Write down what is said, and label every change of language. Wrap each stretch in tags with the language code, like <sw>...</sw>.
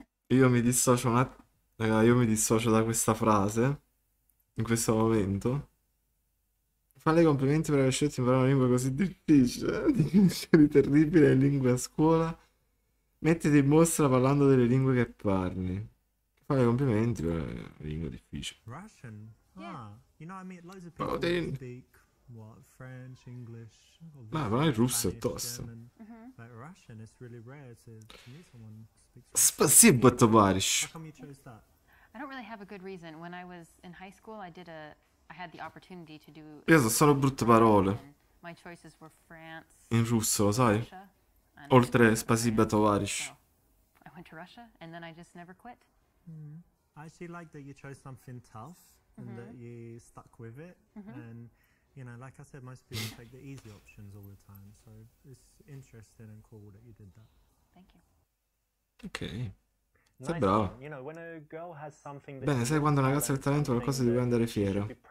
<it>Io mi dissocio io mi dissocio da questa frase. In questo momento. Fale i complimenti per aver scelto di imparare una lingua così difficile. Di terribile lingua a scuola. Mettiti in mostra parlando delle lingue che parli. Fai complimenti, però è una lingua difficile.</it> <en>Russian? Ah, you know I meet loads of people who speak what, French, English,</en> <it>ma non è russo, è tosto.</it> <en>But Russian is really rare to meet someone who speaks Russian.</en> <ru>Спасибо, товарищ.</ru> <en>How come you chose that? I don't really have a good reason. When I was in high school, I had the opportunity to do...</en> <it>Io so solo brutte parole.</it> <en>My choices were France,</en> <it>in russo, lo sai? Oltre</it> <ru>spasiba tovarish.</ru> <en>I went to Russia and then I just never quit. I actually like that you chose something tough and that you stuck with it. And you know, like I said, most people take the easy options all the time. So it's interesting and cool that you did that. Thank you.</en> <it>Okay. Sei bravo. Bene, sai quando una ragazza ha il talento, qualcosa di cui andare fiero.</it>